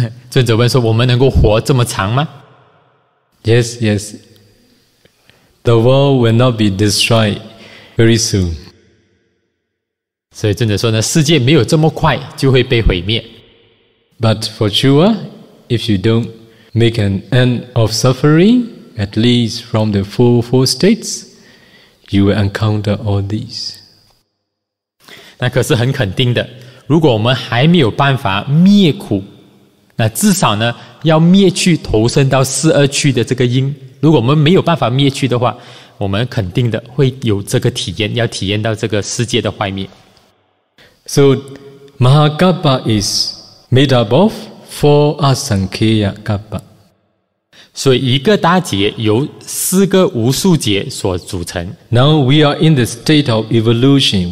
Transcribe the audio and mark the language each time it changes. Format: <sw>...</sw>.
<zh>尊者问说，我们能够活这么长吗？</zh> <en>Yes, yes. The world will not be destroyed very soon.</en> <zh>所以尊者说呢，世界没有这么快就会被毁灭。</zh> <en>But for sure, if you don't make an end of suffering, at least from the four states, you will encounter all these.</en> <zh>那可是很肯定的。如果我们还没有办法灭苦，那至少呢要灭去投身到四恶趣的这个因。如果我们没有办法灭去的话，我们肯定的会有这个体验，要体验到这个世界的坏灭。</zh> <en>So, Mahakappa is made up of four Asankhyakappa.</en> <zh>所以一个大劫由四个无数劫所组成。</zh> <en>Now we are in the state of evolution.</en>